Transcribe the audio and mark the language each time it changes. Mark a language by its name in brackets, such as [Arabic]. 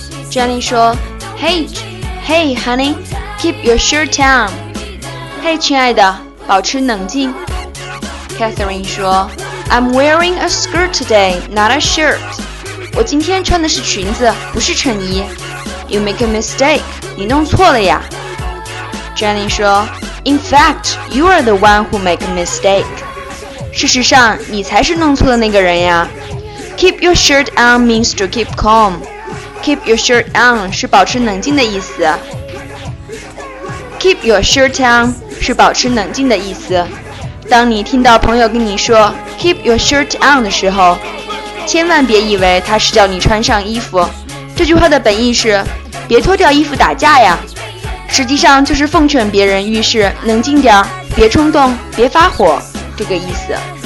[English] Jenny [Chinese] 说 [English] Hey honey, keep your shirt on. [Chinese] Hey 亲爱的，保持冷静。 [English] Catherine [Chinese] 说 [English] I'm wearing a skirt today, not a shirt. [Chinese] 我今天穿的是裙子，不是衬衣。 [English] You make a mistake, [Chinese] 你弄错了呀。 [English] Jenny [Chinese] 说 [English] In fact, you are the one who make a mistake. [Chinese] 事实上，你才是弄错的那个人呀。 [English] Keep your shirt on means to keep calmKeep your shirt on [Chinese] 是保持冷静的意思。 [English] Keep your shirt on [Chinese] 是保持冷静的意思。当你听到朋友跟你说 [English] Keep your shirt on [Chinese] 的时候，千万别以为他是叫你穿上衣服，这句话的本意是别脱掉衣服打架呀，实际上就是奉劝别人遇事冷静点，别冲动，别发火，这个意思。